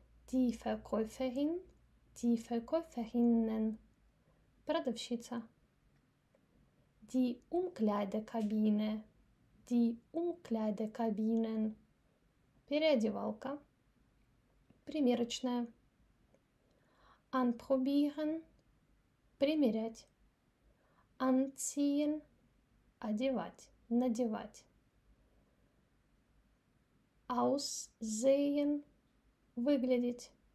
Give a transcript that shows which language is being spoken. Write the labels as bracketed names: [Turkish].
[German] Die Verkäuferin, die Verkäuferinnen, [Russian] Продавщица. [German] Die Umkleidekabine, die Umkleidekabinen, [Russian] Переодевалка, примерочная. [German] Anprobieren, [Russian] примерять. [German] Anziehen, [Russian] одевать, надевать. [German] Aussehen, [Russian] выглядеть.